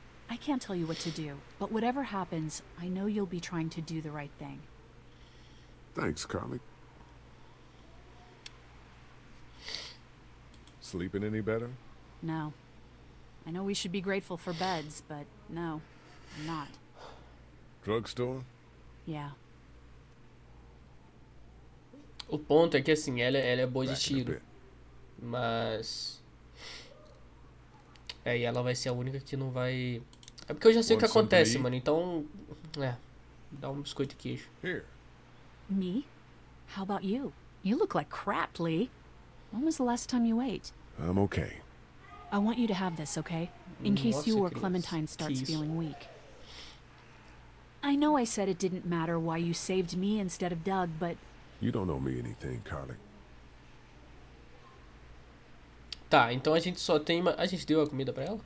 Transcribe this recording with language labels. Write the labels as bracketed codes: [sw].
[en] I can't tell you what to do, but whatever happens, I know you'll be trying to do the right thing. Thanks, Carly. Sleeping any better? No. I know we should be grateful for beds, but no, I'm not. Drugstore? Yeah. [pt] O ponto é que assim, ela é boa de tiro. Mas... É, e ela vai ser a única que não vai... É porque eu já sei o que acontece, mano, então... É, dá um biscoito e queijo. [en] Here. Me? How about you? You look like crap, Lee. When was the last time you ate? I'm okay. I want you to have this, okay? In case you or Clementine starts feeling weak. I know I said it didn't matter why you saved me instead of Doug, but... You don't owe me anything, Carly. [pt] Tá, então a gente só tem uma... A gente deu a comida pra ela?